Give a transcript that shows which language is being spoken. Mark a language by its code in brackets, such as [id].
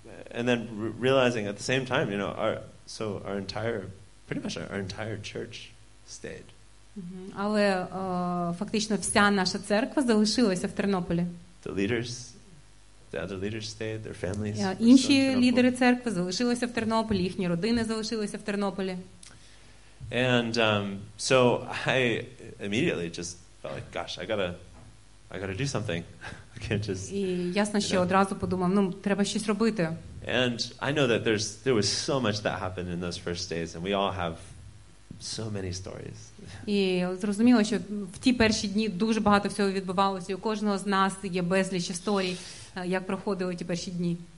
[en] And then realizing at the same time, our entire church stayed. [uk] Але фактично вся наша церква залишилася в Тернополі. [en] The leaders stayed, their families. [uk] Інші лідери церкви залишилися в Тернополі, їхні родини залишилися в Тернополі. [en] And I immediately just felt I gotta do something. I can't just. [uk] І ясно, що одразу подумав, треба щось робити. [en] And I know that there was so much that happened in those first days, and we all have so many stories. [uk] І зрозуміло, що в ті перші дні дуже багато всього відбувалося, і у кожного з нас є безліч історій, як проходили ті перші дні.